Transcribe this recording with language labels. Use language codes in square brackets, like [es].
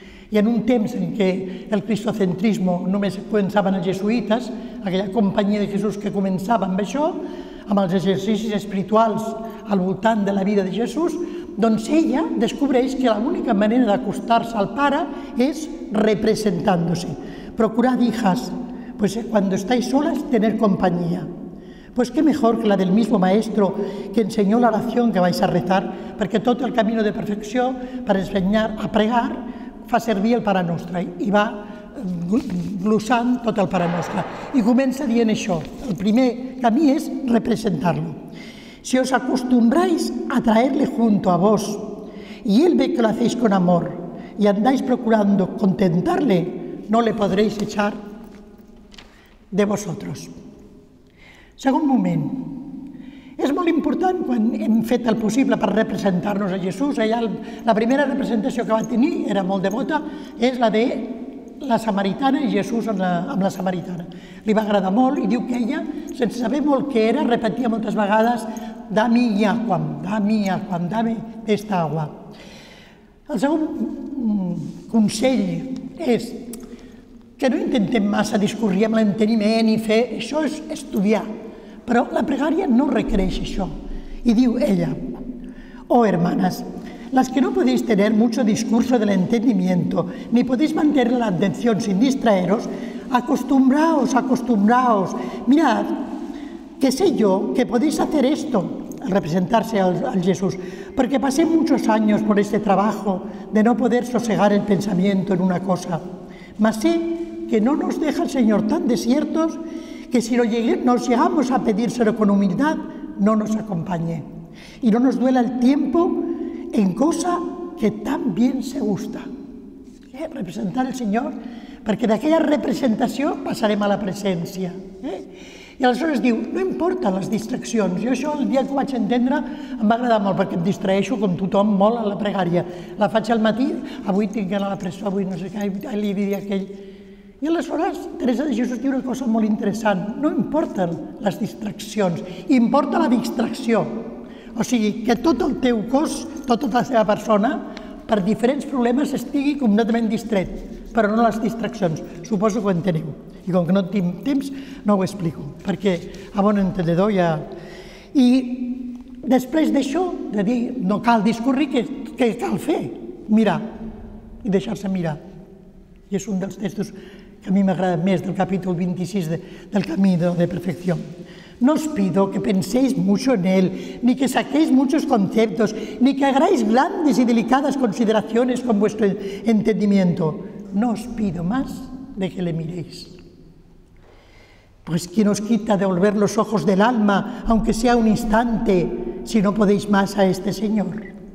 [ca] I en un temps en què el cristocentrisme només pensaven els jesuïtes, aquella companyia de Jesús que començava amb això, amb els exercicis espirituals al voltant de la vida de Jesús, doncs ella descobreix que l'única manera d'acostar-se al Pare és representant-se. [es] Procurad, hijas, pues cuando estáis solas, tener compañía. Pues qué mejor que la del mismo Maestro que enseñó la oración que vais a rezar, [ca] perquè tot el camí de perfecció per ensenyar a pregar fa servir el Pare Nostre i va glossant tot el Pare Nostre. I comença dient això. El primer camí és representar-lo. [es] Si os acostumbráis a traerle junto a vos y él ve que lo hacéis con amor y andáis procurando contentarle, no le podréis echar de vosotros. [ca] Segon moment. És molt important quan hem fet el possible per representar-nos a Jesús. Allà la primera representació que va tenir, era molt devota, és la de la samaritana i Jesús amb la samaritana. Li va agradar molt i diu que ella, sense saber molt què era, repetia moltes vegades «Dami aqua, dami aqua, [es] dame esta agua». [ca] El segon consell és que no intentem massa discurrir amb l'enteniment i fer... Això és estudiar. Però la pregària no requereix això. I diu ella, [es] «Oh, hermanas, las que no podéis tener mucho discurso del entendimiento ni podéis mantener la atención sin distraeros, acostumbraos, acostumbraos. Mirad, que sé yo que podéis hacer esto, representarse al Jesús, porque pasé muchos años por este trabajo de no poder sosegar el pensamiento en una cosa. Mas sé que no nos deja el Señor tan desiertos que si nos llegamos a pedírselo con humildad, no nos acompañe. Y no nos duela el tiempo en cosa que tan bien se gusta». [ca] Representar el Señor, perquè d'aquella representació passarem a la presència. I aleshores diu, no importa les distraccions. Jo això el dia que ho vaig entendre em va agradar molt, perquè em distraeixo com tothom molt a la pregària. La faig al matí, avui tinc a la presó, avui no sé què, li diria aquell... I aleshores, Teresa de Jesús diu una cosa molt interessant. No importen les distraccions, importa la distracció. O sigui, que tot el teu cos, tota la teva persona, per diferents problemes estigui completament distret, però no les distraccions. Suposo que ho enteniu. I com que no tinc temps, no ho explico, perquè a bon entendedor ja... I després d'això, de dir, no cal discurrir, què cal fer? Mirar. I deixar-se mirar. I és un dels textos que a mi m'agrada més del capítol 26 del Camí de Perfecció. [es] «No os pido que penséis mucho en él, ni que saquéis muchos conceptos, ni que hagáis grandes y delicadas consideraciones con vuestro entendimiento. No os pido más de que le miréis. Pues ¿quién os quita de volver los ojos del alma, aunque sea un instante, si no podéis más a este Señor?